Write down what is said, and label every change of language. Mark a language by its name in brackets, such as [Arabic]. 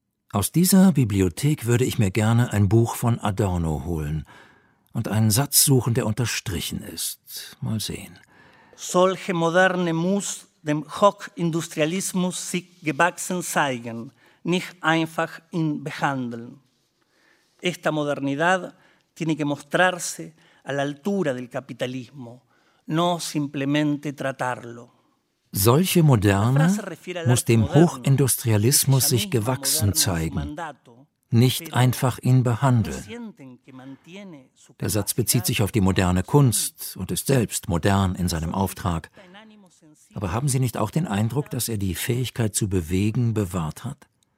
[German] Aus dieser Bibliothek würde ich mir gerne ein Buch von Adorno holen und einen Satz suchen, der unterstrichen ist. Mal sehen. Solche moderne muss dem Hochindustrialismus sich gewachsen zeigen, nicht einfach ihn behandeln. [Spanish] Esta modernidad tiene que mostrarse a la altura del capitalismo, no simplemente tratarlo. [German] Solche Moderne muss dem Hochindustrialismus sich gewachsen zeigen, nicht einfach ihn behandeln. Der Satz bezieht sich auf die moderne Kunst und ist selbst modern in seinem Auftrag. Aber haben Sie nicht auch den Eindruck, dass er die Fähigkeit zu bewegen bewahrt hat?